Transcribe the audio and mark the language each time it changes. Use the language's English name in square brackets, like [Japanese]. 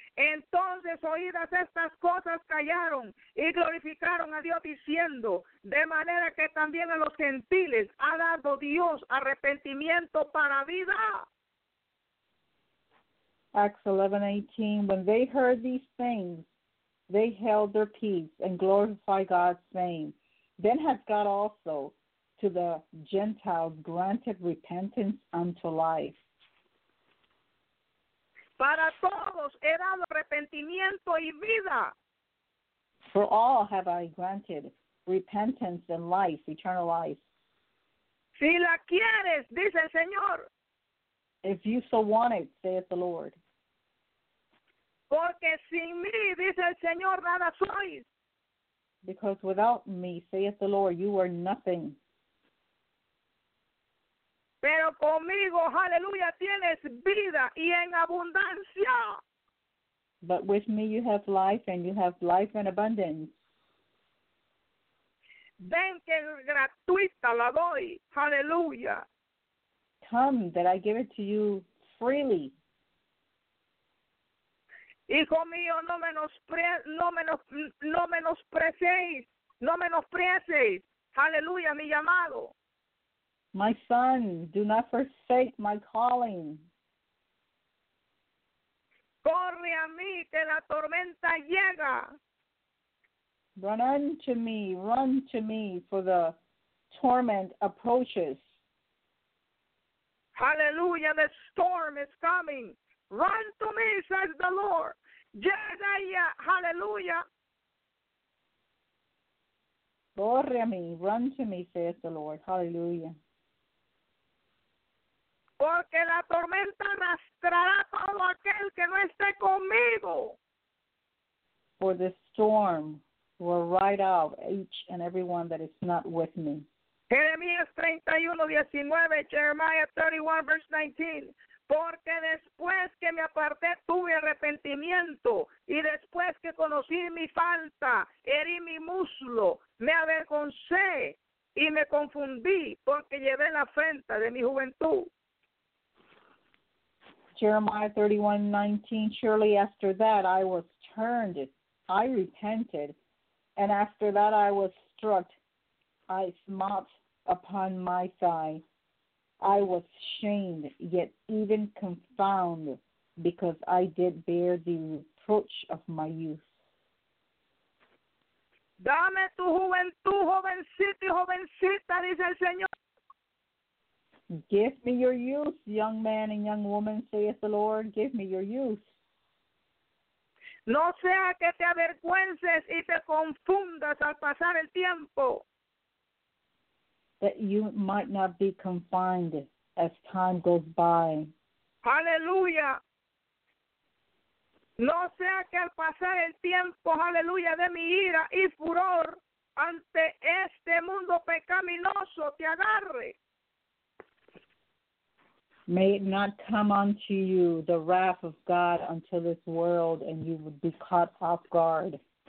[Spanish] Entonces, oídas estas cosas, callaron y glorificaron a Dios, diciendo, de manera que también a los gentiles ha dado Dios arrepentimiento para vida. [English] Acts 11:18, when they heard these things, they held their peace and glorified God, saying, then has God also to the Gentiles granted repentance unto life. [Spanish] Para todos he dado arrepentimiento y vida. [English] For all have I granted repentance and life, eternal life. [Spanish] Si la quieres, dice el Señor. [English] If you so want it, saith the Lord. [Spanish] Porque sin mí, dice el Señor, nada sois. [English] Because without me, saith the Lord, you are nothing. [Spanish] Pero conmigo, aleluya, tienes vida y en abundancia. [English] But with me you have life, and you have life in abundance. [Spanish] Ven que gratuita la doy, aleluya. [English] Come, that I give it to you freely. [Spanish] Hijo mío, no menosprecies, aleluya, mi llamado. [English] My son, do not forsake my calling. [Spanish] Corre a mí, que la tormenta llega. [English] Run to me, for the torment approaches. Hallelujah, the storm is coming. Run to me, says the Lord. Jesaiah, hallelujah. [Spanish] Corre a mí, [English] run to me, says the Lord. Hallelujah. [Spanish] Porque la tormenta arrastrará todo aquel que no esté conmigo. [English] For the storm will ride out each and every one that is not with me. [Spanish] Jeremías 31:19, Jeremiah 31:19. Porque después que me aparté tuve arrepentimiento, y después que conocí mi falta, herí mi muslo, me avergoncé y me confundí porque llevé la afrenta de mi juventud. [English] Jeremiah 31:19, surely after that I was turned, I repented, and after that I was struck, I smote upon my thigh. I was shamed, yet even confounded, because I did bear the reproach of my youth. [Spanish] Dame tu juventud, jovencito y jovencita, dice el Señor. [English] Give me your youth, young man and young woman, saith the Lord. Give me your youth. [Spanish] No sea que te avergüences y te confundas al pasar el tiempo. [English] That you might not be confined as time goes by. Hallelujah. [Spanish] No sea que al pasar el tiempo, hallelujah, de mi ira y furor ante este mundo pecaminoso te agarre. [English] May it not come unto you the wrath of God unto this world, and you would be caught off guard.